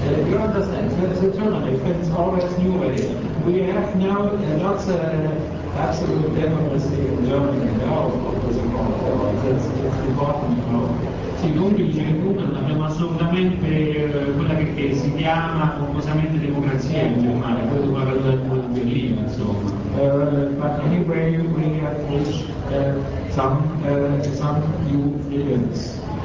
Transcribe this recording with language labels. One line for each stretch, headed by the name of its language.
English: You understand, it's eternally, it's always new way. We have now not absolute democracy in Germany now, it's important, you know.
Italian: Sì, dunque dice che comunque abbiamo assolutamente quella che si chiama famosamente democrazia in Germania, poi dopo la caduta del muro di Berlino, insomma.
English: But anyway, we have reached some new freedoms.